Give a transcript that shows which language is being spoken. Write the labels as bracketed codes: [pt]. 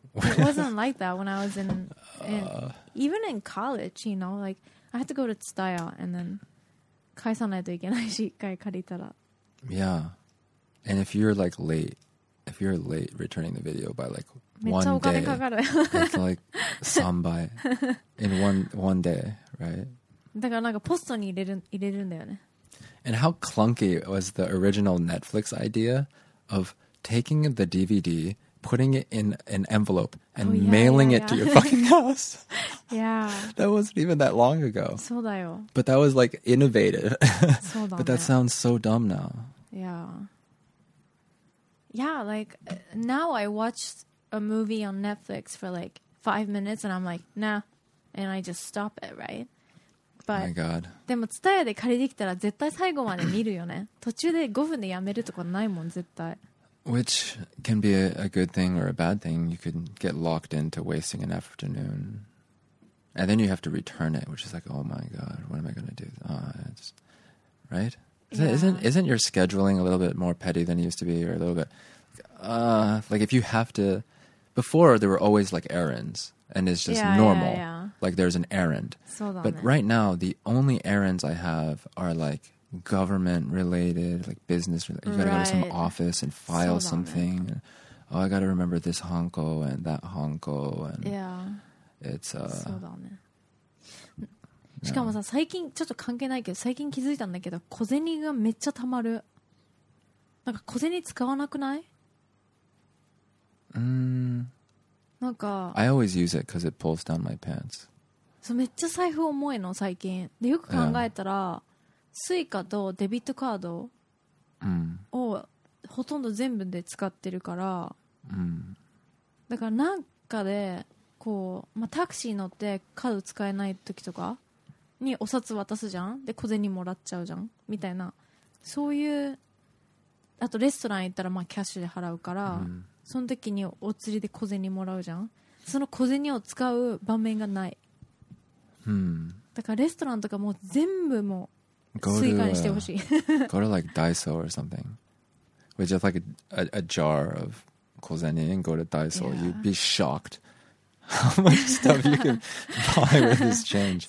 [en] It wasn't like that when I was even in college, you know, like I had to go to Tsutaya and then [ja] 返さないといけないし、一回借りたら。 [en] Yeah. And if you're like late, if you're late returning the video by like one day, it's like sambai in one day, right? [ja] だからなんかポストに入れるんだよね。 [en] And how clunky was the original Netflix idea of taking the DVD, putting it in an envelope, and mailing it to your fucking house? yeah. That wasn't even that long ago. [ja] そうだよ。 [en] But that was like innovative. [ja] そうだね。 [en] But that sounds so dumb now. Yeah. Yeah, like, now I watch a movie on Netflix for, like, 5 minutes, and I'm like, nah, and I just stop it, right? But, my God. [ja] でも、伝えで借りてきたら絶対最後まで見るよね。途中で5分でやめるとかないもん、絶対。 [en] Which can be a good thing or a bad thing. You could get locked into wasting an afternoon. And then you have to return it, which is like, oh, my God, what am I going to do? Right? Yeah. Isn't your scheduling a little bit more petty than it used to be, or a little bit? Like if you have to, before there were always like errands, and it's just normal. Yeah, yeah. Like there's an errand. [ja] そうだね。 [en] But right now, the only errands I have are like government related, like business related. You gotta right. go to some office and file [ja] そうだね。 [en] something. And, oh, I gotta remember this honko and that honko. And yeah. It's [ja] そうだね。Yeah. しかもさ、最近ちょっと関係ないけど、最近気づいたんだけど、小銭がめっちゃ貯まる。なんか小銭使わなくない？なんか。 [en] I always use it because it pulls down my pants. [ja] そう、めっちゃ財布重いの最近。でよく考えたら、スイカとデビットカードをほとんど全部で使ってるから。だからなんかでこう、まあ、タクシー乗ってカード使えない時とか。にお札渡すじゃんで小銭もらっちゃうじゃんみたいなそういうあとレストラン行ったらまあキャッシュで払うから、mm. その時にお釣りで小銭もらうじゃんその小銭を使う場面がない、 mm. だからレストランとかもう全部もうスイカにしてほしい [en] go to like Daiso or something with just like a jar of 小銭 and go to Daiso、yeah. you'd be shockedHow much stuff you can buy with this change?